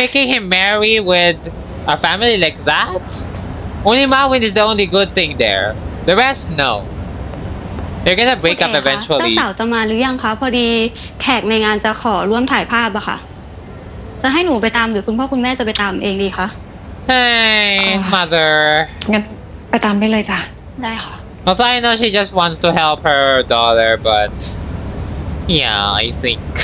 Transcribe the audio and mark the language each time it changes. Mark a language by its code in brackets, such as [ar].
[en] making him marry with a family like that. Only Marvin is the only good thing there. The rest no. They're gonna break up eventually. [th] เจ้าสาวจะมาหรือยังคะพอดีแขกในงานจะขอร่วมถ่ายภาพอะค่ะจะให้หนูไปตามหรือคุณพ่อคุณแม่จะไปตามเองดีคะ [en] Hey mother. [th] งั้นไปตามไปเลยจ้ะ ได้ค่ะ [en] Alth I know she just wants to help her daughter, but yeah, I think.